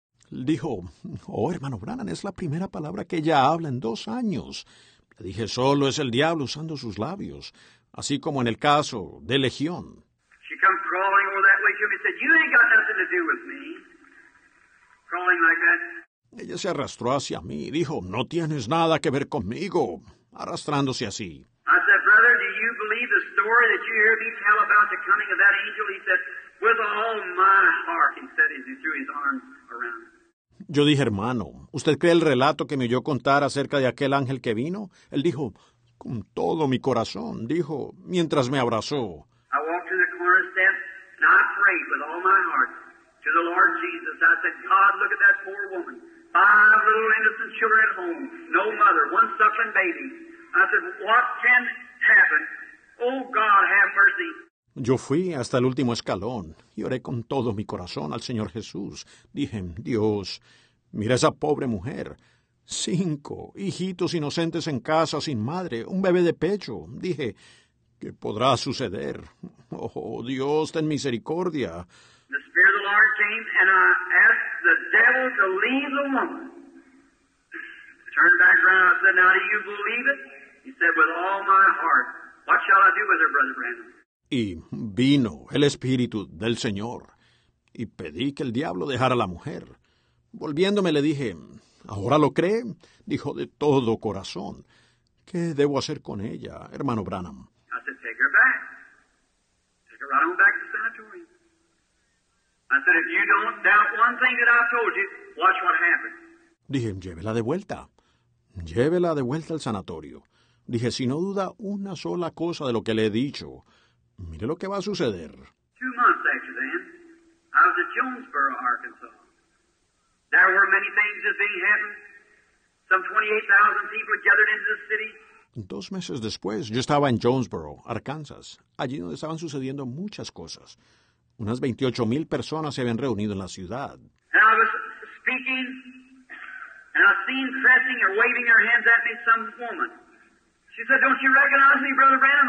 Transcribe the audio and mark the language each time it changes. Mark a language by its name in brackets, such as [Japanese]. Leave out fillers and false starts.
[Spanish] Dijo, oh, hermano Branham, es la primera palabra que ella habla en 2 años. Le dije, solo es el diablo usando sus labios, así como en el caso de Legión. [English] She come crawling all that way to me and said, you ain't got nothing to do with me. Crawling like that. [Spanish] Ella se arrastró hacia mí y dijo, no tienes nada que ver conmigo, arrastrándose así. [English] I said, brother, do you believe the story that you hear me tell about the coming of that angel? He said, with all my heart, he said, as he threw his arms around. [Spanish] Yo dije, hermano, ¿usted cree el relato que me oyó contar acerca de aquel ángel que vino? Él dijo, con todo mi corazón, dijo, mientras me abrazó. [English] I walked to the corner step, and I prayed with all my heart to the Lord Jesus. I said, God, look at that poor woman. 5 little innocent children at home, no mother, 1 suckling baby. I said, what can happen? Oh, God, have mercy. [Spanish] Yo fui hasta el último escalón y oré con todo mi corazón al Señor Jesús. Dije, Dios, mira esa pobre mujer. 5 hijitos inocentes en casa sin madre, un bebé de pecho. Dije, ¿qué podrá suceder? Oh, Dios, ten misericordia. [English] The Spirit of the Lord came and I asked the devil to leave the woman. Turned back around, I said, now do you believe it? He said, with all my heart. What shall I do with her, Brother Branham? [Spanish] Y vino el Espíritu del Señor, y pedí que el diablo dejara a la mujer. Volviéndome le dije, ¿ahora lo cree? Dijo, de todo corazón, ¿qué debo hacer con ella, hermano Branham? [English] I said, take her back. Take her right on back to the sanatorium. I said, if you don't doubt one thing that I've told you, watch what happens. [Spanish] Dije, llévela de vuelta. Llévela de vuelta al sanatorio. Dije, si no duda una sola cosa de lo que le he dicho, mire lo que va a suceder. [English] 2 months after then, I was at Jonesboro, Arkansas. There were many things that being happened. Some 28,000 people gathered into the city. [Spanish] 2 meses después, yo estaba en Jonesboro, Arkansas, allí donde estaban sucediendo muchas cosas. Unas 28,000 personas se habían reunido en la ciudad. [English] And I was speaking, and I seen pressing or waving her hands at me some woman. She said, don't you recognize me, Brother Branham?